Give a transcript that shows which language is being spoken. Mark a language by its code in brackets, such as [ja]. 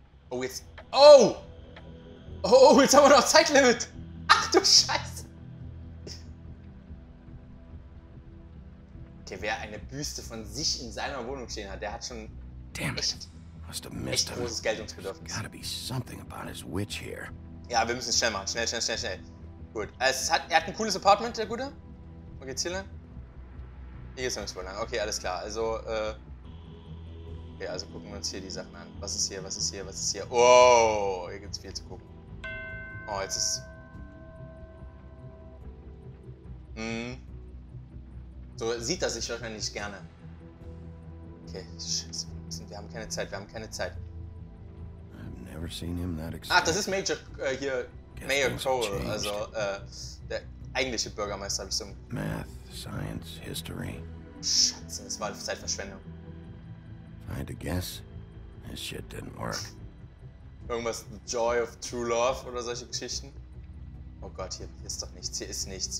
[de] Oh, jetzt... Oh! Oh, jetzt haben wir noch Zeitlimit! Ach du Scheiße! Okay, wer eine Büste von sich in seiner Wohnung stehen hat, der hat schon echt großes Geltungsbedürfnis. [en] There's gotta be something about his witch here. [de] Ja, wir müssen es schnell machen. Schnell, schnell, schnell, schnell. Gut. Er hat ein cooles Apartment, der Gute. Wo geht's hier lang? Hier geht's noch nicht so lang. Okay, alles klar. Also, okay, also gucken wir uns hier die Sachen an. Was ist hier, was ist hier, was ist hier? Oh, hier gibt's viel zu gucken. Oh, jetzt ist... So sieht das sich wahrscheinlich gerne. Okay, scheiße. Wir haben keine Zeit, wir haben keine Zeit. [en] Never seen him that excited. [de] Ach, das ist Major hier, Mayor Cole, also der eigentliche Bürgermeister, habe ich so ein... [en] Math, Science, History. [de] Schatz, das war eine Zeitverschwendung. [en] If I had to guess, this shit didn't work. [de] Irgendwas, The Joy of True Love oder solche Geschichten. Oh Gott, hier ist doch nichts, hier ist nichts.